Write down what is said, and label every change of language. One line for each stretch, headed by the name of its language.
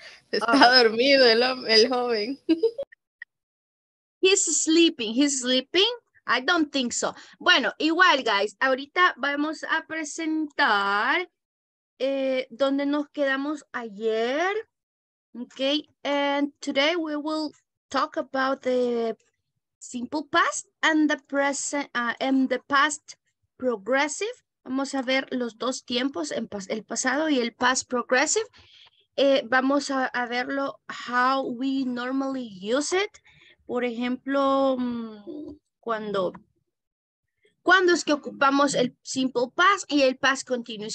Spanish: Está dormido el joven.
English: He's sleeping? I don't think so.
Spanish: Bueno, igual, guys, ahorita vamos a presentar donde nos quedamos ayer.
English: Okay, and today we will talk about the simple past and the present and the past progressive.
Spanish: Vamos a ver los dos tiempos, el pasado y el past progressive. Vamos a verlo
English: how we normally use it.
Spanish: Por ejemplo, cuando es que ocupamos el simple past y el past continuous.